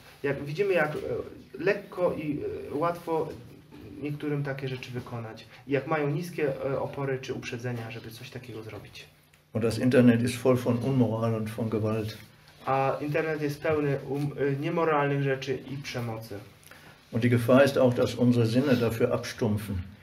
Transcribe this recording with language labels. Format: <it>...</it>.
<pl>Jak widzimy, jak lekko i łatwo niektórym takie rzeczy wykonać. Jak mają niskie opory czy uprzedzenia, żeby coś takiego zrobić.</pl> <de>Und das Internet ist voll von Unmoral und von Gewalt.</de> <pl>A Internet jest pełny niemoralnych rzeczy i przemocy.</pl> <de>Und die Gefahr ist auch, dass unsere Sinne dafür abstumpfen.</de>